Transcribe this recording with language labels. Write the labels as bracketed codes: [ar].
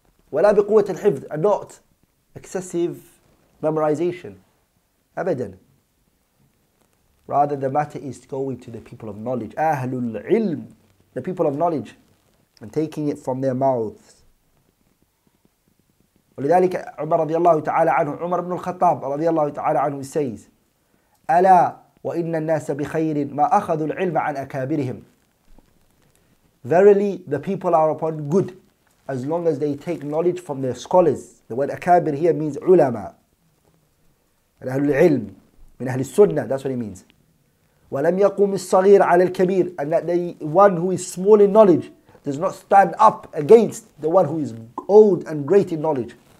[ar] وَلَا بِقُوَّةِ الْحِفْظِ. [en] And not excessive memorization. [ar] أَبَدًا. [en] Rather, the matter is going to the people of knowledge. Ahlul ilm, the people of knowledge, and taking it from their mouths. [ar] ولذلك عمر رضي الله تعالى عنه, عمر بن الخطاب رضي الله تعالى عنه [en] says, [ar] ألا وإن الناس بخير ما أخذوا العلم عن أكابرهم. [en] Verily, the people are upon good as long as they take knowledge from their scholars. The word akabir here means ulama. Ahlul ilm, [ar] من أهل السنة, [en] that's what it means. [ar] وَلَمْ يَقُومِ الصَّغِيرَ عَلَى الْكَبِيرِ. [en] And that the one who is small in knowledge does not stand up against the one who is old and great in knowledge.